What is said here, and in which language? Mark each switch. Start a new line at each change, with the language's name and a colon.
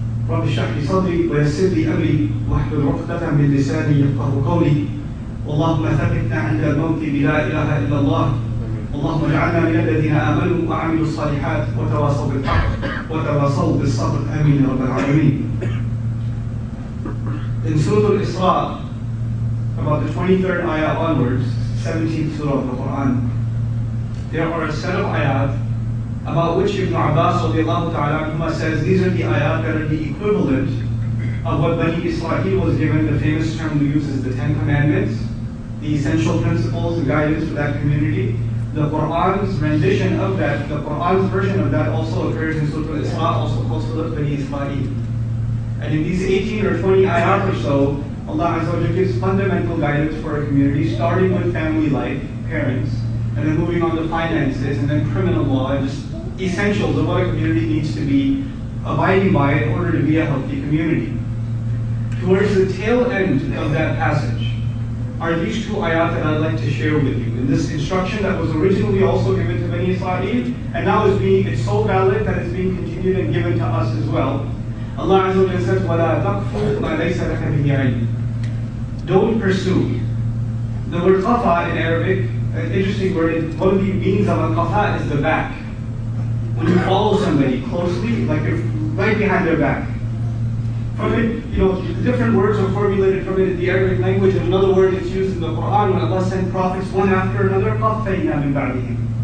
Arabic: رب اشرح لي صدري ويسر لي أمري واحلل عقدة من لساني يفقه قولي. اللهم ثبتنا عند الموت بلا إله إلا الله. اللهم اجعلنا من الذين آمنوا وعملوا الصالحات وتواصوا بالحق وتواصوا بالصبر. آمين يا رب العالمين.
English: In Surah Al-Isra, about the 23rd ayah onwards, 17th surah of the Quran, there are a set of ayat about which Ibn Abbas radiallahu ta'ala anhumah says these are the ayat that are the equivalent of what Bani Israel was given, the famous term we use is the Ten Commandments, the essential principles, the guidance for that community. The Quran's rendition of that, the Quran's version of that also occurs in Surah Al-Isra, also called Surah Bani Israel. And in these 18 or 20 ayat or so, Allah Azza wa Jalla gives fundamental guidance for a community, starting with family life, parents, and then moving on to finances, and then criminal law, and just essentials of what a community needs to be abiding by in order to be a healthy community. Towards the tail end of that passage are these two ayat that I'd like to share with you. And this instruction that was originally also given to Bani Israel, and now it's so valid that it's being continued and given to us as well. Allah Azza wa Jalla says,
Arabic: وَلَا تَقْفُوا مَا لَيْسَ لَكَ بِهِ عَلِمٌ.
English: Don't pursue. The word qafa in Arabic, an interesting word, one of the meanings of a qafa is the back. When you follow somebody closely, like you're right behind their back. From it, different words are formulated from it in the Arabic language, and another word is used in the Quran when Allah sent prophets one after another,
Arabic: qafayna min ba'dihim.